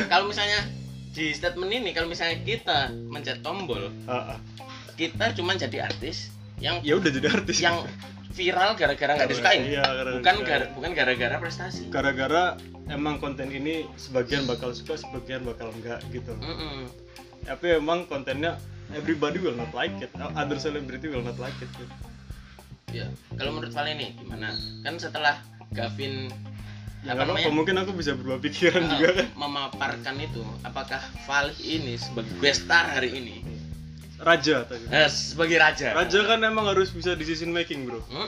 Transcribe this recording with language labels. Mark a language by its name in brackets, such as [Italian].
[Indonesian] Kalau misalnya di statement ini, kalau misalnya kita mencet tombol, kita cuma jadi artis yang ya udah jadi artis yang viral gara-gara nggak disukain, iya, bukan gara-gara prestasi, gara-gara emang konten ini sebagian bakal suka, sebagian bakal enggak gitu. Tapi emang kontennya [English] everybody will not like it, other celebrity will not like it. [Indonesian] Iya, kalau menurut Vali ini gimana? Kan setelah Gavin apa mungkin aku bisa berubah pikiran juga kan? Memaparkan itu, apakah Vali ini sebagai guestar hari ini? Raja tadi. Sebagai raja. Raja kan emang harus bisa decision making bro.